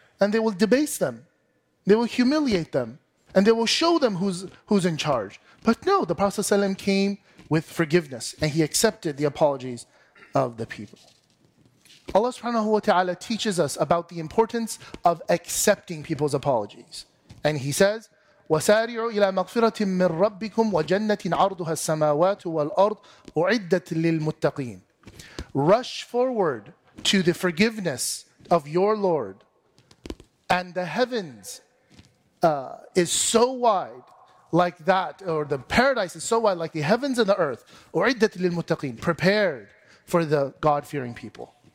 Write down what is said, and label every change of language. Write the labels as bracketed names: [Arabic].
[English] And they will debase them. They will humiliate them. And they will show them who's in charge. But no, the Prophet ﷺ came with forgiveness and he accepted the apologies of the people. Allah subhanahu wa ta'ala teaches us about the importance of accepting people's apologies. [Arabic] And he says, وَسَارِعُوا إِلَىٰ مَغْفِرَةٍ مِّن رَبِّكُمْ وَجَنَّةٍ عَرْضُهَا السَّمَاوَاتُ وَالْأَرْضُ أُعِدَّتْ لِلْمُتَّقِينَ. [English] Rush forward to the forgiveness of your Lord, and the heavens is so wide like that, or the paradise is so wide like the heavens and the earth. أُعِدَّتْ لِلْمُتَّقِينَ, prepared for the God-fearing people.